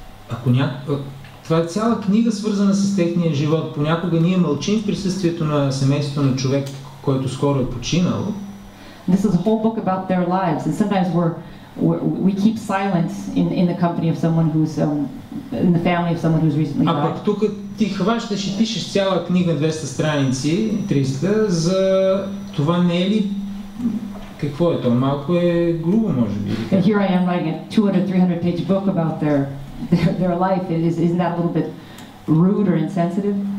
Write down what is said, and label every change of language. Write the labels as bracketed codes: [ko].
[bg] Ако това е цяла книга, свързана с техния живот. Понякога ние мълчим в присъствието на семейството на човек, който скоро е починал. [en] This is a whole book about their lives. And sometimes we keep silent in the company of someone who's... in the family of someone who's recently died. [bg] А пък тук ти хващаш и пишеш цяла книга 200 страници, 300, за това не е ли... Какво е то? Малко е грубо, може би. [en] And here I am writing a 200-300 page book about their life. Isn't that a little bit rude or insensitive?